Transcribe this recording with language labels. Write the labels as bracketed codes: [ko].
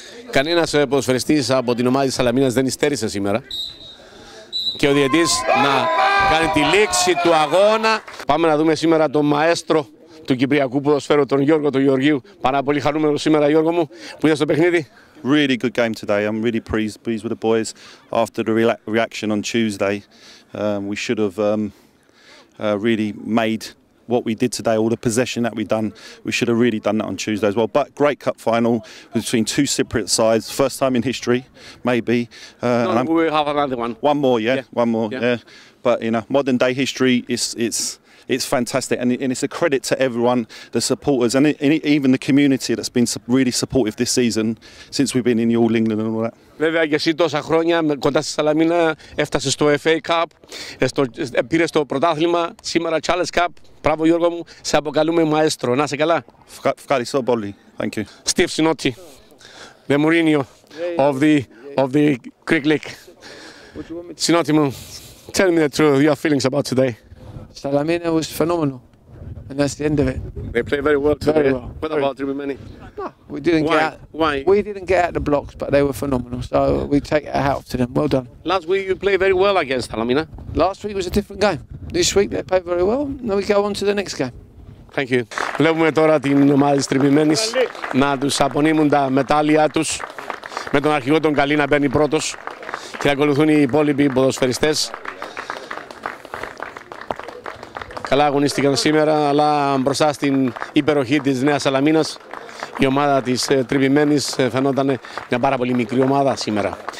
[el] Κανένας ποδοσφαιριστής από την ομάδα της Σαλαμίνας δεν υστέρησε σήμερα. Και ο διαιτής να κάνει τη λήξη του αγώνα. Πάμε να δούμε σήμερα τον μαέστρο του Κυπριακού ποδοσφαίρου, τον Γιώργο του Γεωργίου. Πάρα πολύ χαρούμενο σήμερα, Γιώργο μου, που είδες το παιχνίδι. [en] Really good game today. I'm really pleased with the boys after the reaction on Tuesday. We should have really made what we did today, all the possession that we've done, we should have really done that on Tuesday as well. But great cup final between two Cypriot sides, first time in history, maybe. No, we have another one. One more, yeah? One more, yeah. But, you know, modern day history, it's fantastic, and it's a credit to everyone, the supporters, and even the community that's been really supportive this season since we've been in the All England and all that. [el] Βέβαια και εσύ τόσα χρόνια κοντά στη Σαλαμίνα έφτασες στο FA Cup, πήρες το πρωτάθλημα, σήμερα Challenge Cup. Μπράβο Γιώργο μου, σε αποκαλούμε μαέστρο. Να είσαι καλά. Ευχαριστώ πολύ. [en] Thank you. Steve Sinotti, the Mourinho of the Greek League. Sinotti, tell me the truth, your feelings about today. Σαλαμίνα was phenomenal. And that's the end of it. They played very well today. What about Tribu Many? No. We didn't get out of the blocks, but they were phenomenal. So we take our hat off to them. Well done. Last week you played very well against Sallamina. Last week was a different game. This week they played very well. Now we go on to the next game. Thank you. [el] Βλέπουμε τώρα την ομάδα της Τρίμπη Μένης να τους απονείμουν τα μετάλλια τους. Με τον αρχηγό τον Καλή να μπαίνει πρώτος. Και ακολουθούν οι υπόλοιποι ποδοσφαιριστές. Καλά αγωνίστηκαν σήμερα, αλλά μπροστά στην υπεροχή της Νέας Σαλαμίνας η ομάδα της Τριμμένης φαινόταν μια πάρα πολύ μικρή ομάδα σήμερα.